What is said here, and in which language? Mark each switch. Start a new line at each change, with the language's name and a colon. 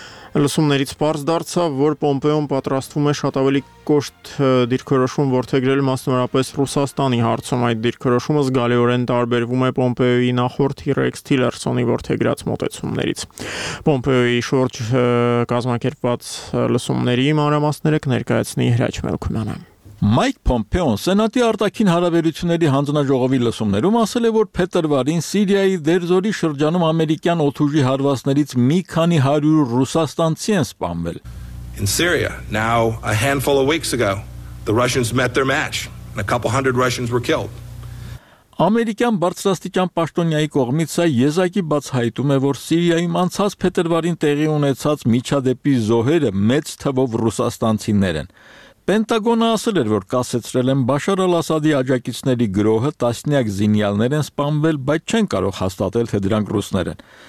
Armenian: լսումներից պարզ դարձավ, որ Պոմպեոն պատրաստվում է շատ ավելի կոշտ դիրքորոշում որդեգրել մասնավորապես Ռուսաստանի հարցում։ Այդ դիրքորոշումը զգալիորեն տարբերվում է Պոմպեոյի նախորդ Ռեքս Թիլերսոնի որդեգրած մոտեցումներից։ Պոմպեոյի շուրջ կազմակերպված լսումների մանրամասները կներկայացնի Հրաչ Մելքումյանը։ Մայք Պոմպեոն Սենատի արտաքին հարաբերությունների հանձնաժողովի լսումներում ասել է, որ փետրվարին Սիրիայի դերձորի շրջանում ամերիկյան օդուժի հարվածներից մի քանի հարյուր ռուսաստանցի են սպանվել։
English: In Syria, now a handful of weeks ago, the Russians met their match and a couple hundred Russians were killed.
Armenian: Ամերիկյան բարձրաստիճան պաշտոնյայի կողմից այս եզակի բաց հայտում է, որ Սիրիայում անցած փետրվարին տեղի ունեցած միջադեպի զոհերը մեծ թվով ռուսաստանցիներ են։ Պենտագոնը ասել էր, որ կասեցրել են Բաշար ալ-Ասադի աջակիցների գրոհը, տասնյակ զինյալներ են սպանվել, բայց չեն կարող հաստատել, թե դրանք ռուսներ են։